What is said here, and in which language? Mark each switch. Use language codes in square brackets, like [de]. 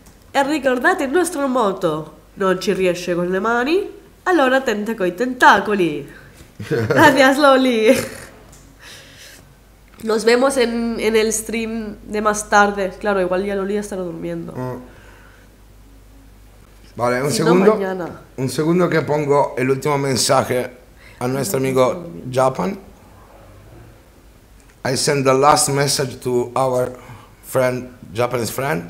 [it] E ricordate il nostro motto: non ci riesce con le mani, allora tenta coi tentacoli. [es] Gracias, Loli. Nos vemos en el stream de más tarde. Claro, igual ya Loli estará durmiendo. Vale, un segundo. Un segundo que pongo el último mensaje a nuestro amigo Japan. [en] I send the last message to our friend, Japanese friend.